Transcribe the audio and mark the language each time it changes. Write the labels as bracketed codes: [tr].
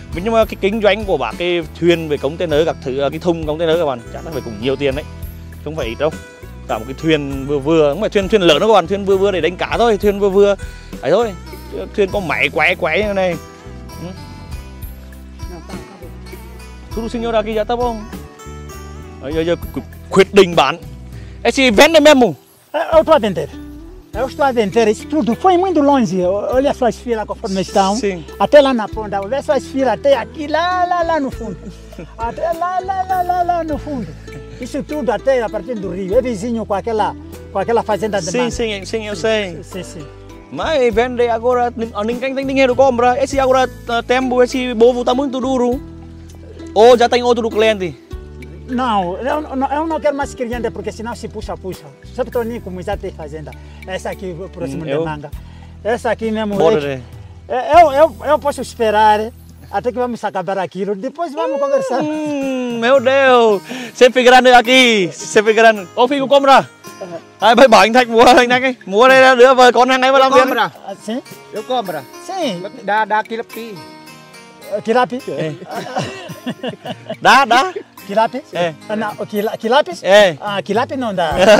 [vi] Nhưng mà cái kinh doanh của bác cái thuyền về container các thứ, cái thùng container các bạn chắc là phải cũng nhiều tiền đấy, không phải ít đâu. Cả một cái thuyền vừa không phải thuyền lớn đâu các bạn, thuyền vừa để đánh cá thôi, thuyền vừa ấy thôi, thuyền có máy quay như này. Thưa quý [pt] senhora aqui já tá bom. [vi] Giờ quyết định bán. [pt] Esse vende mesmo? Eu tô a vender. Eu estou a vender isso tudo, foi muito longe, olha só as filas conforme estão. Sim. Até lá na ponta, olha só as filas, até aqui, lá no fundo. Até lá no fundo. Isso tudo até a partir do rio, é vizinho com aquela fazenda de mar. Sim, sim, eu sei. Sim. Mas vende agora, ninguém tem dinheiro para comprar, esse agora tempo, esse povo está muito duro. Ou já tem outro cliente? Não, eu não quero mais cliente, porque senão se puxa. Só que Toninho, como já tem fazenda, essa aqui o próximo de manga. Essa aqui mesmo. Bora, eu posso esperar. Até que vamos acabar aquilo, depois vamos conversar. Meu Deus, sempre grande aqui, sempre grande. Ô filho, o compra? [vi] Ai, vai bỏ anh Thạch mua anh Thạch ấy. Mua đây là đứa vợ con anh ấy vào làm việc. [pt] Compra? Sim. Eu compra? Sim. Dá quilapi. Quilapi? É. Dá? Quilapi? É. Não, quilapi? É. Ah, quilapi não dá.